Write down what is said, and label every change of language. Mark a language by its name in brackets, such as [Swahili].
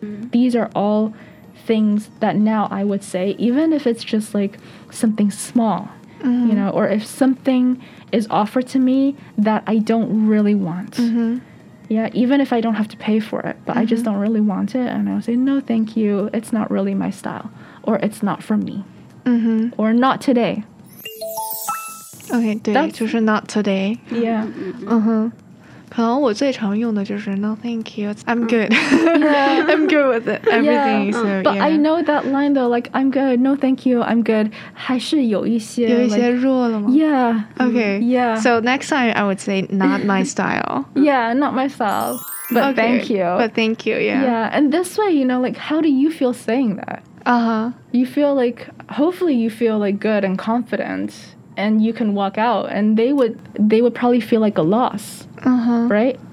[English] These are all things that now I would say, even if it's just, like, something small, you know, or if something is offered to me that I don't really want. Yeah, even if I don't have to pay for it, but I just don't really want it. And I'll say, no, thank you. It's not really my style. Or it's not for me. Or not today. Okay, [Chinese] 对，就是 [English] not today. Yeah. [Chinese] 可能我最常用的就是 [English] no, thank you. I'm good. Yeah. I'm good with it. Everything. Yeah. So, but yeah. I know that line though, like, I'm good. No, thank you. I'm good. [Chinese] 还是有一些有一些弱了吗？ [English] Yeah. Okay. Yeah. So next time I would say not my style. Yeah, not my style. But okay, thank you. But thank you, yeah. Yeah. And this way, you know, like, how do you feel saying that? You feel like, hopefully you feel like good and confident and you can walk out and they would probably feel like a loss. Right?